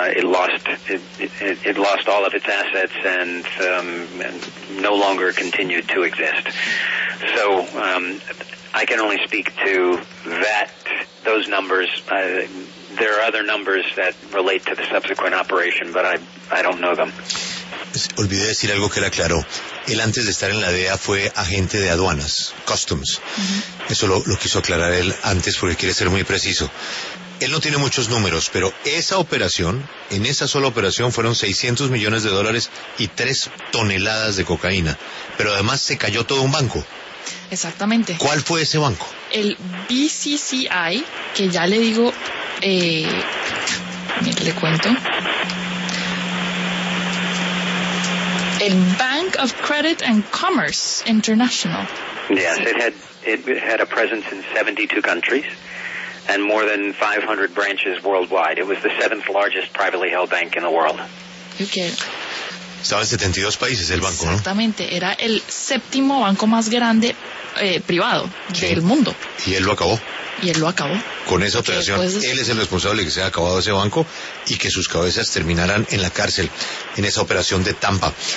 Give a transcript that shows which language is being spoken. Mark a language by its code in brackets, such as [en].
[en] It lost all of its assets and no longer continued to exist. So, I can only speak to that, those numbers. There are other numbers that relate to the subsequent operation, but I don't know them. [es] Olvidé decir algo que él aclaró. Él antes de estar en la DEA fue agente de aduanas, customs. Uh-huh. Eso lo quiso aclarar él antes porque quiere ser muy preciso. Él no tiene muchos números, pero esa operación, en esa sola operación, fueron $600 millones y 3 toneladas de cocaína. Pero además se cayó todo un banco. Exactamente. ¿Cuál fue ese banco? El BCCI, que ya le digo, le cuento. El Bank of Credit and Commerce International. [en] Yes, it had a presence in 72 countries and more than 500 branches worldwide. It was the 7th largest privately held bank in the world. Okay. [es] Estaba en 72 países el banco, ¿no? Exactamente, era el 7º banco más grande privado del mundo. Y él lo acabó. Y él lo acabó. Con esa operación, él es el responsable de que se haya acabado ese banco y que sus cabezas terminaran en la cárcel, en esa operación de Tampa.